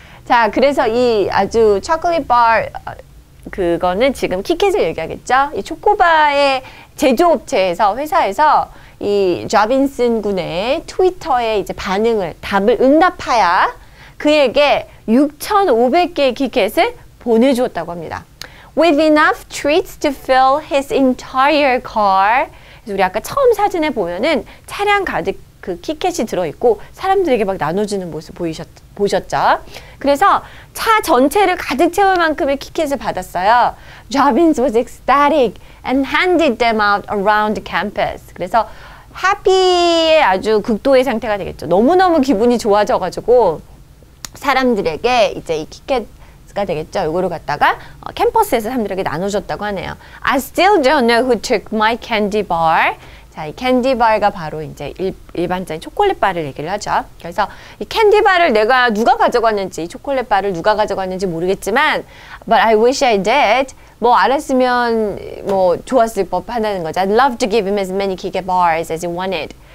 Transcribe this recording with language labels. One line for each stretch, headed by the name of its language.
Korean: 자, 그래서 이 아주 초콜릿 바 그거는 지금 킷캣을 얘기하겠죠? 이 초코바의 제조업체에서 회사에서 이 조빈슨 군의 트위터에 이제 반응을 답을 응답하야 그에게 6,500개의 킷캣을 보내주었다고 합니다.
English: With enough treats to fill his entire car.
Korean: 우리 아까 처음 사진에 보면은 차량 가득 그 킷캣이 들어있고 사람들에게 막 나눠주는 모습 보셨죠? 그래서 차 전체를 가득 채울 만큼의 킷캣을 받았어요.
English: Jobbins was ecstatic and handed them out around campus.
Korean: 그래서 happy의 아주 극도의 상태가 되겠죠. 너무너무 기분이 좋아져가지고 사람들에게 이제 이 킷캣가 되겠죠. 이거를 갖다가 캠퍼스에서 사람들에게 나눠줬다고 하네요.
English: I still don't know who took my candy bar.
Korean: 자, 이 캔디 바가 바로 이제 일반적인 초콜릿 바를 얘기를 하죠. 그래서 이 캔디 바를 내가 누가 가져갔는지, 초콜릿 바를 누가 가져갔는지 모르겠지만,
English: but I wish I did.
Korean: 뭐 알았으면 뭐 좋았을 법하다는 거죠.
English: I'd love to give him as many gigabars as he wanted.